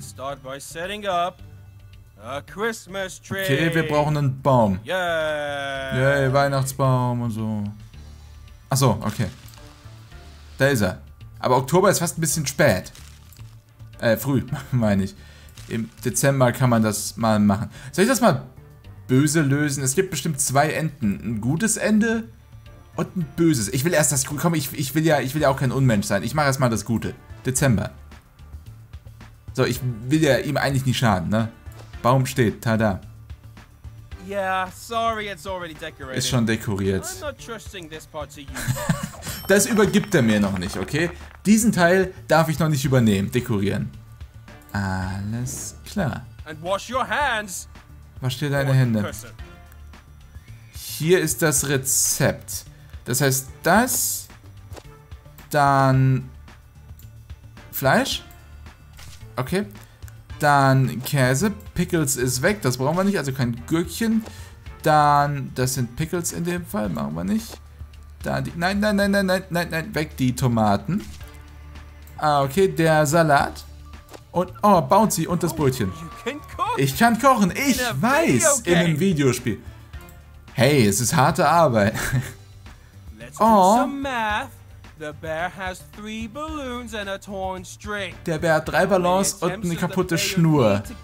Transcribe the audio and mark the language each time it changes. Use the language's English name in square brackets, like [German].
[English] Start by setting up a Christmas tree. [German] Okay, wir brauchen einen Baum. Yay, Weihnachtsbaum und so. Ach so, okay. Da ist er. Aber Oktober ist fast ein bisschen spät. Früh, meine ich. Im Dezember kann man das mal machen. Soll ich das mal böse lösen? Es gibt bestimmt zwei Enden. Ein gutes Ende und ein böses. Ich will erst das... Komm, ich will ja auch kein Unmensch sein. Ich mache erst mal das Gute. Dezember. So, ich will ja ihm eigentlich nicht schaden, ne? Baum steht, tada. [English] Yeah, sorry, it's already decorated. [German] Ist schon dekoriert. [English] I'm not trusting this part to you. [German] Das übergibt er mir noch nicht, okay? Diesen Teil darf ich noch nicht übernehmen, dekorieren. Alles klar. [English] And wash your hands. [German] Wasch dir deine Hände. Hier ist das Rezept. Das heißt, das, dann Fleisch, okay, dann Käse, Pickles ist weg, das brauchen wir nicht, also kein Gürkchen, dann, das sind Pickles in dem Fall, machen wir nicht, dann die, nein, weg die Tomaten, ah, okay, der Salat und, oh, Bouncy und das Brötchen. Ich kann kochen, ich weiß, in einem Videospiel. Hey, es ist harte Arbeit. [English] Oh. Some math. The bear has three balloons and a torn string. [German] Der Bär hat drei Ballons und eine kaputte Schnur.